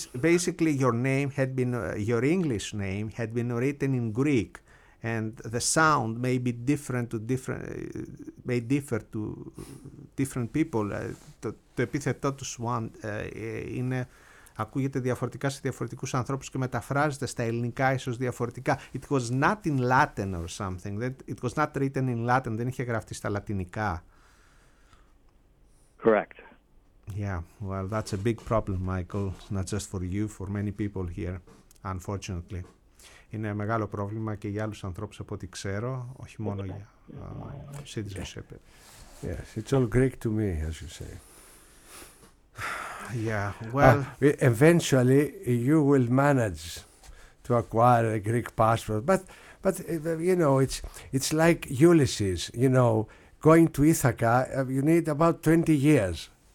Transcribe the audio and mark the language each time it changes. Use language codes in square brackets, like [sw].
[en] Basically, your name had been, your English name had been written in Greek, and the sound may be different to different, may differ to different people. [el] Το επίθετό του Swan είναι, ακούγεται διαφορετικά σε διαφορετικούς ανθρώπους και μεταφράζεται στα ελληνικά ίσως διαφορετικά. [en] It was not in Latin or something. It was not written in Latin. [el] Δεν είχε γραφτεί στα λατινικά. [en] Correct. Yeah, well, that's a big problem, Michael. Not just for you, for many people here, unfortunately. [el] Είναι μεγάλο πρόβλημα και για άλλους ανθρώπους από ό,τι ξέρω, όχι μόνο για citizenship. [en] Yes, it's all Greek to me, as you say. Yeah, well... Eventually, you will manage to acquire a Greek passport. But you know, it's like Ulysses, you know, going to Ithaca, you need about 20 years.